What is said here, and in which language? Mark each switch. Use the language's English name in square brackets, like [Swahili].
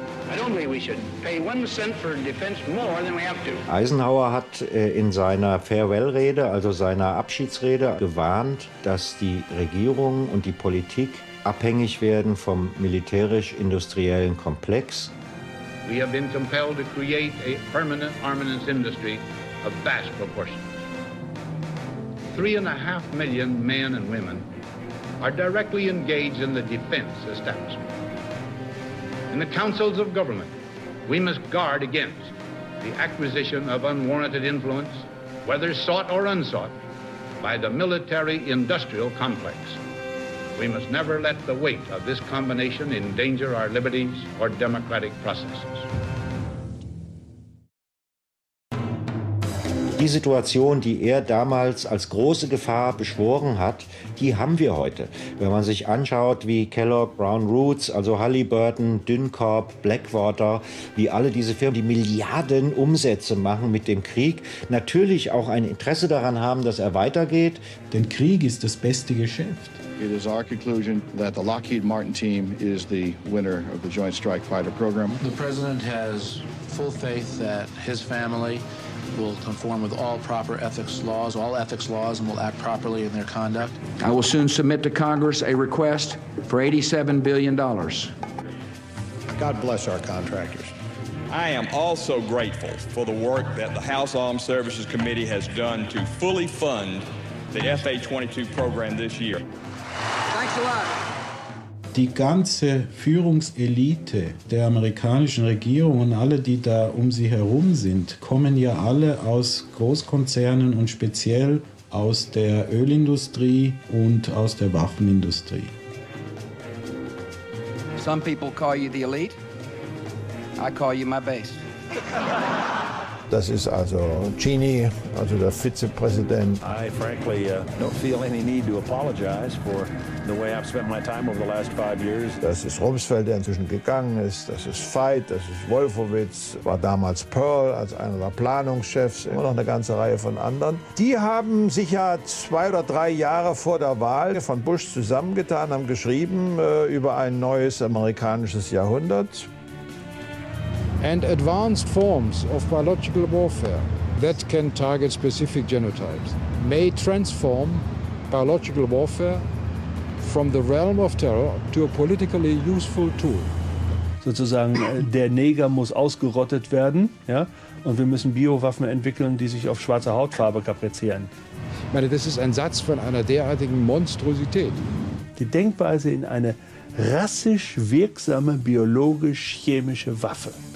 [English] I don't think we should pay 1 cent for defense more than we have to. [German] Eisenhower hat in seiner Farewell-Rede, also seiner Abschiedsrede, gewarnt, dass die Regierung und die Politik abhängig werden vom militärisch-industriellen Komplex. [English] We have been compelled to create a permanent armaments industry of vast proportions. 3.5 million men and women are directly engaged in the defense establishment. In the councils of government, we must guard against the acquisition of unwarranted influence, whether sought or unsought, by the military-industrial complex. We must never let the weight of this combination endanger our liberties or democratic processes. [German] Die Situation, die er damals als große Gefahr beschworen hat, die haben wir heute. Wenn man sich anschaut, wie Kellogg, Brown Roots, also Halliburton, Dyncorp, Blackwater, wie alle diese Firmen, die Milliarden Umsätze machen mit dem Krieg, natürlich auch ein Interesse daran haben, dass er weitergeht. Denn Krieg ist das beste Geschäft. [English] It is our conclusion that the Lockheed Martin team is the winner of the Joint Strike Fighter program. The president has full faith that his family will conform with all proper ethics laws, all ethics laws, and will act properly in their conduct. I will soon submit to Congress a request for $87 billion. God bless our contractors. I am also grateful for the work that the House Armed Services Committee has done to fully fund the FA-22 program this year. Thanks a lot. [German] Die ganze Führungselite der amerikanischen Regierung und alle, die da um sie herum sind, kommen ja alle aus Großkonzernen und speziell aus der Ölindustrie und aus der Waffenindustrie. [English] Some people call you the elite. I call you my base. [German] Das ist also Cheney, also der Vizepräsident. [English] I frankly don't feel any need to apologize for the way I've spent my time over the last 5 years. [German] Das ist Rumsfeld, der inzwischen gegangen ist. Das ist Veit, das ist Wolfowitz, war damals Pearl als einer der Planungschefs. Immer noch eine ganze Reihe von anderen. Die haben sich ja 2 oder 3 Jahre vor der Wahl von Bush zusammengetan, haben geschrieben über ein neues amerikanisches Jahrhundert. [English] And advanced forms of biological warfare that can target specific genotypes may transform biological warfare from the realm of terror to a politically useful tool. [German] Sozusagen, der Neger muss ausgerottet werden, ja? Und wir müssen Biowaffen entwickeln, die sich auf schwarze Hautfarbe kaprizieren. Ich meine, das ist ein Satz von einer derartigen Monstrosität. Die Denkweise in eine rassisch wirksame biologisch-chemische Waffe.